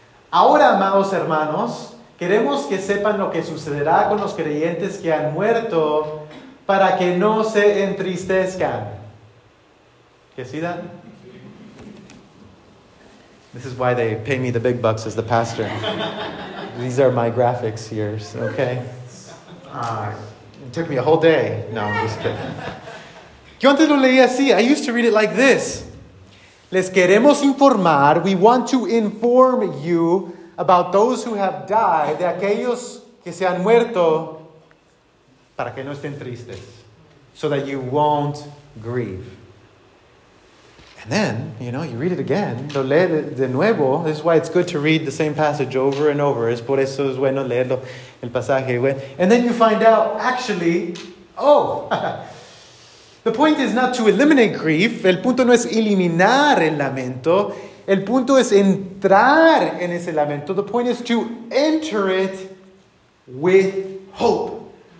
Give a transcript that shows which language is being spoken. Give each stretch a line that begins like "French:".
Spanish: Ahora, amados hermanos, queremos que sepan lo que sucederá con los creyentes que han muerto para que no se entristezcan. Ok,
English: You see that? This is why they pay me the big bucks as the pastor. These are my graphics here, okay? It took me a whole day. No, I'm just kidding.
Spanish: Yo antes lo leía así.
English: I used to read it like this.
Spanish: Les queremos informar.
English: We want to inform you about those who have died,
Spanish: de aquellos que se han muerto, para que no estén tristes.
English: So that you won't grieve. And then, you know, you read it again.
Spanish: Lo lee de nuevo.
English: This is why it's good to read the same passage over and over.
Spanish: Es por eso es bueno leerlo, el pasaje.
English: And then you find out, actually, oh, the point is not to eliminate grief.
Spanish: El punto no es eliminar el lamento. El punto es entrar en ese lamento.
English: The point is to enter it with hope.